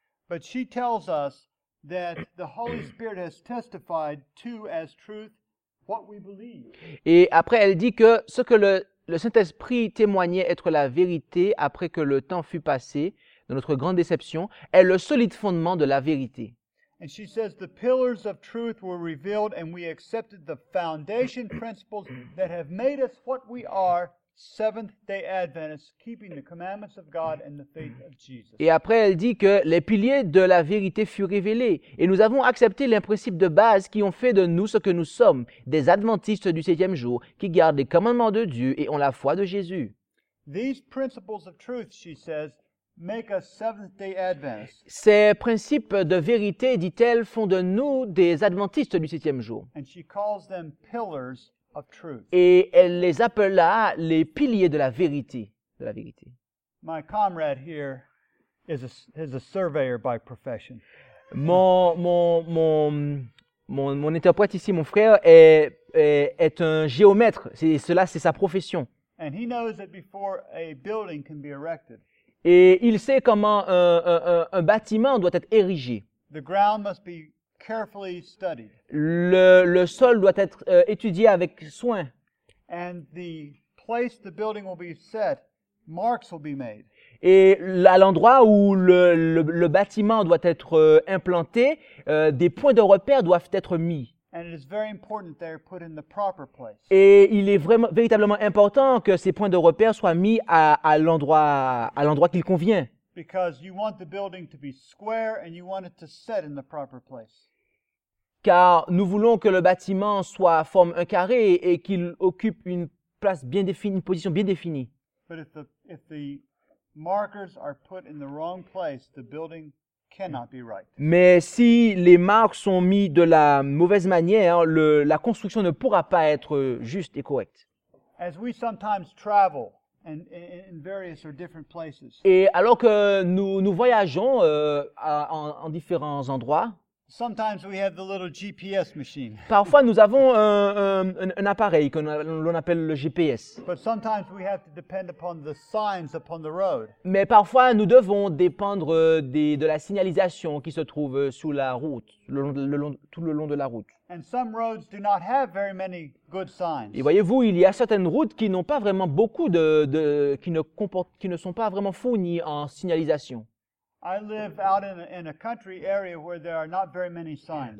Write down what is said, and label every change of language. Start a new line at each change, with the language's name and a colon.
English: But she tells us that the Holy Spirit has testified to as truth what we believe.
French: Et après, elle dit que ce que le Saint-Esprit témoignait être la vérité après que le temps fut passé, de notre grande déception, est le solide fondement de la vérité.
English: And she says the pillars of truth were revealed and we accepted the foundation principles that have made us what we are, Seventh-day Adventists, keeping the commandments of God and the faith of Jesus.
French: Et après, elle dit que les piliers de la vérité furent révélés et nous avons accepté les principes de base qui ont fait de nous ce que nous sommes, des adventistes du septième jour qui gardent les commandements de Dieu et ont la foi de Jésus.
English: These principles of truth, she says, make us Seventh-day Adventists.
French: Ces principes de vérité, dit-elle, font de nous des adventistes du septième jour.
English: And she calls them pillars of truth.
French: Et elle les appela les piliers de la vérité.
English: My comrade here is a surveyor by profession.
French: Mon interprète ici, mon frère, est un géomètre. C'est sa profession.
English: And he knows that before a building can be erected.
French: Et il sait comment un bâtiment doit être érigé.
English: The ground must be carefully studied.
French: Le sol doit être étudié avec soin.
English: And the place the building will be set, marks will be made.
French: Et à l'endroit où le bâtiment doit être implanté, des points de repère doivent être mis.
English: And it is very important they are put in the proper place.
French: Et il est vraiment véritablement important que ces points de repère soient mis à l'endroit qu'il convient.
English: Because you want the building to be square and you want it to set in the proper place.
French: car nous voulons que le bâtiment soit forme un carré et qu'il occupe une place bien définie, une position bien définie.
English: But if the markers are put in the wrong place, the building cannot be right.
French: Mais si les marques sont mises de la mauvaise manière, la construction ne pourra pas être juste et correcte.
English: As we sometimes travel in various or different places.
French: Et alors que nous voyageons en différents endroits,
English: sometimes we have the little GPS machine.
French: Parfois nous avons un appareil que l'on appelle le GPS.
English: But sometimes we have to depend upon the signs upon the road.
French: Mais parfois nous devons dépendre de la signalisation qui se trouve sous la route, tout le long de la route.
English: And some roads do not have very many good signs.
French: Et voyez-vous, il y a certaines routes qui n'ont pas vraiment beaucoup qui ne sont pas vraiment fournies en signalisation.
English: I live out in a country area where there are not very many signs.